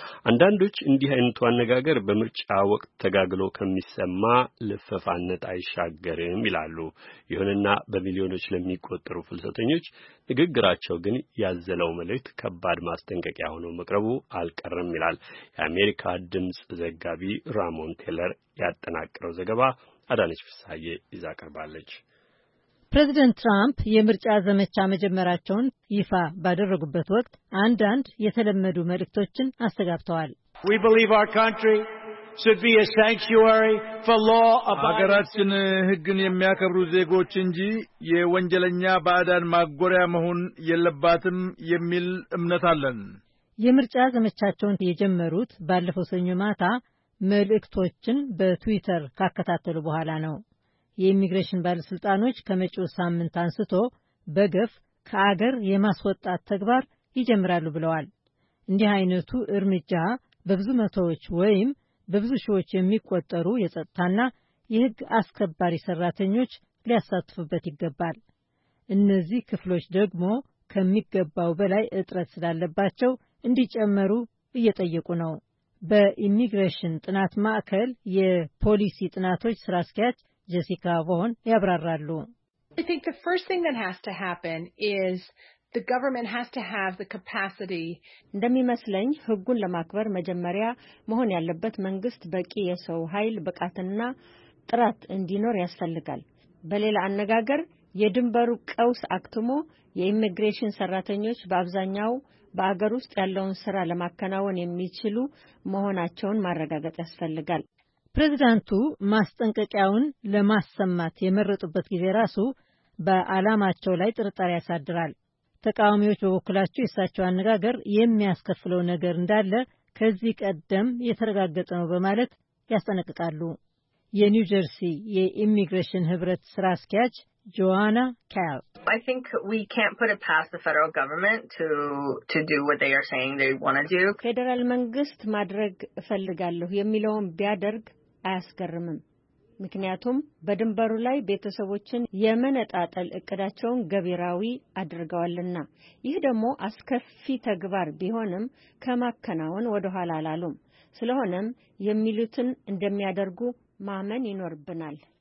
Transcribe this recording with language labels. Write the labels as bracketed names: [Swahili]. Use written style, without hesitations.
[Amharic] አንዳንዶች እንዲህ አይነቱ አነጋገር በምርጫ ወቅት ተጋግሎ ከመሰማ ለፈፋነት አይሻገርም ይላሉ። ይሁንና በሚሊዮኖች ለሚቆጠሩ ፍልሰተኞች ንግግራቸው ግን ያዘለው መልእክት ከባድ ማስጠንቀቂያ ሆኖ መቅረቡ አልቀረም ይላል። የአሜሪካ ድምጽ ዘጋቢ ራሞን ቴለር ያጠናቀረው ዘገባ አዳነች ፍሳዬ ይዛ ቀርባለች። ፕሬዚደንት ትራምፕ የምርጫ ዘመቻ መጀመራቸውን ይፋ ባደረጉበት ወቅት አንዳንድ የተለመዱ መልእክቶችን አስተጋብተዋል። [English] We believe our country should be a sanctuary for law abiding. [Amharic] አገራችን ህግን የሚያከብሩ ዜጎች እንጂ የወንጀለኛ ባዕዳን ማጎሪያ መሆን የለባትም የሚል እምነት አለን። የምርጫ ዘመቻቸውን የጀመሩት ባለፈው ሰኞ ማታ መልእክቶችን በትዊተር ካከታተሉ በኋላ ነው። የኢሚግሬሽን ባለስልጣኖች ከመጪው ሳምንት አንስቶ በገፍ ከአገር የማስወጣት ተግባር ይጀምራሉ ብለዋል። እንዲህ አይነቱ እርምጃ በብዙ መቶዎች ወይም በብዙ ሺዎች የሚቆጠሩ የጸጥታና የህግ አስከባሪ ሰራተኞች ሊያሳትፉበት ይገባል። እነዚህ ክፍሎች ደግሞ ከሚገባው በላይ እጥረት ስላለባቸው እንዲጨመሩ እየጠየቁ ነው። በኢሚግሬሽን ጥናት ማዕከል የፖሊሲ ጥናቶች ስራ አስኪያጅ ጀሲካ ቮን ያብራራሉ። [English] I think the first thing that has to happen is the government has to have the capacity. [Amharic] እንደሚመስለኝ ህጉን ለማክበር መጀመሪያ መሆን ያለበት መንግስት በቂ የሰው ኃይል በቃትና ጥራት እንዲኖር ያስፈልጋል። በሌላ አነጋገር የድንበሩ ቀውስ አክትሞ የኢሚግሬሽን ሰራተኞች በአብዛኛው በአገር ውስጥ ያለውን ስራ ለማከናወን የሚችሉ መሆናቸውን ማረጋገጥ ያስፈልጋል። ፕሬዚዳንቱ ማስጠንቀቂያውን ለማሰማት የመረጡበት ጊዜ ራሱ በአላማቸው ላይ ጥርጣሬ ያሳድራል። ተቃዋሚዎች በበኩላቸው የእሳቸው አነጋገር የሚያስከፍለው ነገር እንዳለ ከዚህ ቀደም የተረጋገጠ ነው በማለት ያስጠነቅቃሉ። የኒው ጀርሲ የኢሚግሬሽን ህብረት ስራ አስኪያጅ ጆአና ካል [English] I think we can't put it past the federal government to do what they are saying they want to do. [Amharic] ፌደራል መንግስት ማድረግ ፈልጋለሁ የሚለውን ቢያደርግ አያስገርምም። ምክንያቱም በድንበሩ ላይ ቤተሰቦችን የመነጣጠል እቅዳቸውን ገቢራዊ አድርገዋልና ይህ ደግሞ አስከፊ ተግባር ቢሆንም ከመከናወን ወደ ኋላ አላሉም። ስለሆነም የሚሉትን እንደሚያደርጉ ማመን ይኖርብናል።